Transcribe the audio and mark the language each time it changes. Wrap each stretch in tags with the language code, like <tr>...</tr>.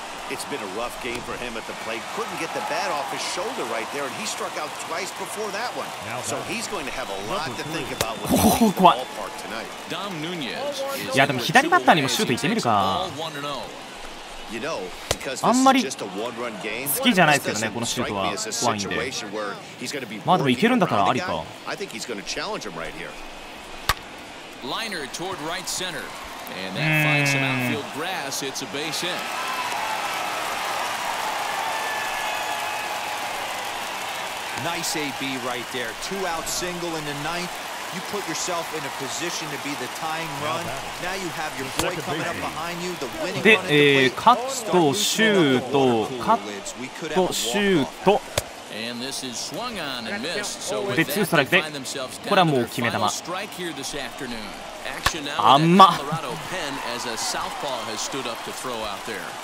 <en>It's been a rough game for him at the plate. Couldn't get the bat off his shoulder right there, and he struck out twice before that one. So he's going to have a lot to think about with the ballpark tonight. Dom Nunez.</en> <ja>Yeah, でも左バッターにもシュート行ってみるか。</ja> <en>You know, because this is just a one-run game.</en> <ja>好きじゃないですけどね、このシュートは怖いんで。まあでも行けるんだからありか。</ja> <en>I think he's going to challenge him right here. Liner toward right center, and that finds some outfield grass. It's a base hit. Nice AB right there. Two out single in the ninth. You put yourself in a position to be the tying run. Now you have your boy coming up behind you. The winning run.</en> <ja>で、カットシュート、カットシュート。</ja> <en>And this is swung on and missed. So with that, they find themselves down to their final strike here this afternoon. Action now at the Colorado pen as a southpaw has stood up to throw out there.</en>